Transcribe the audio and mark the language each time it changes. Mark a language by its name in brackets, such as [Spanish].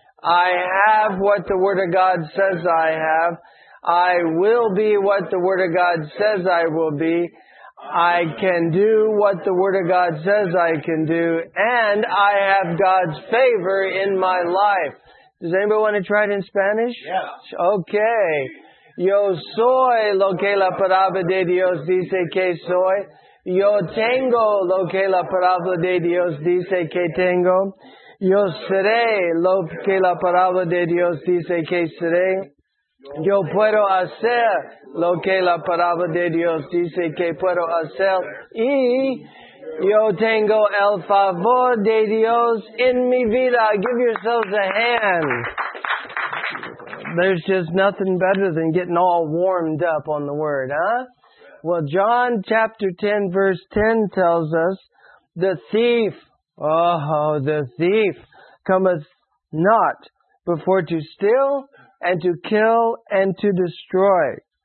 [English] I have what the Word of God says I have. I will be what the Word of God says I will be. I can do what the Word of God says I can do. And I have God's favor in my life. Does anybody want to try it in Spanish? Yeah. Okay. [Spanish] Yo soy lo que la palabra de Dios dice que soy. Yo tengo lo que la palabra de Dios dice que tengo. Yo seré lo que la palabra de Dios dice que seré. Yo puedo hacer lo que la palabra de Dios dice que puedo hacer. Y yo tengo el favor de Dios en mi vida. [English] Give yourselves a hand. There's just nothing better than getting all warmed up on the Word, huh? Well, John chapter 10, verse 10 tells us, the thief, the thief cometh not before to steal and to kill and to destroy.